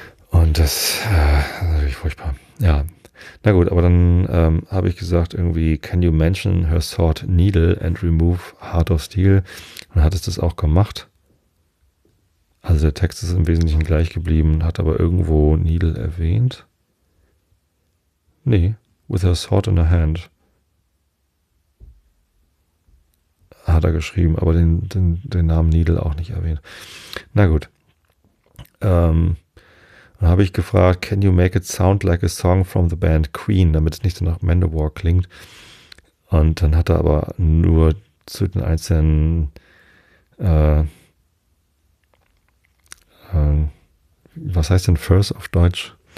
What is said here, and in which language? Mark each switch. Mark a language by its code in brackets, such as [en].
[de] Und das ist natürlich furchtbar. Ja, na gut, aber dann habe ich gesagt irgendwie, [en] can you mention her sword needle and remove heart of steel? [de] Und hat es das auch gemacht. Also der Text ist im Wesentlichen gleich geblieben, hat aber irgendwo needle erwähnt. [en] Nee, with her sword in her hand. [de] Hat er geschrieben, aber den Namen needle auch nicht erwähnt. Na gut. Dann habe ich gefragt, [en] can you make it sound like a song from the band Queen, [de] damit es nicht so nach Manowar klingt. Und dann hat er aber nur zu den einzelnen was heißt denn Verse auf Deutsch?